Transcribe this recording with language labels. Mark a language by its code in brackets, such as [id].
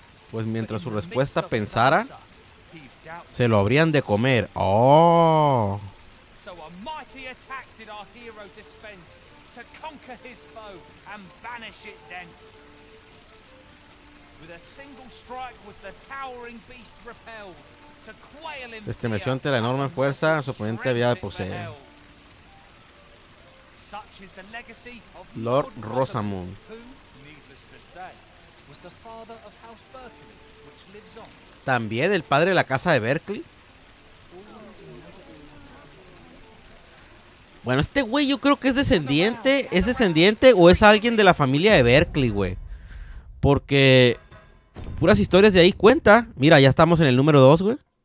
[es] Pues mientras su respuesta pensara, se lo habrían de comer. ¡Oh! [en] So a mighty attack did our hero dispense to conquer his foe and banish it thence. With a single strike was the towering beast repelled to quail him. [es] Se estremeció ante la enorme fuerza su oponente había de poseer. [en] Such is the legacy of Lord Rosamund, who, needless to say, was the father of House Berkeley, which lives on. [es] También el padre de la casa de Berkeley. Bueno, este güey yo creo que es descendiente. ¿Es descendiente o es alguien de la familia de Berkeley, güey? Porque puras historias de ahí cuenta. Mira, ya estamos en el número 2, güey.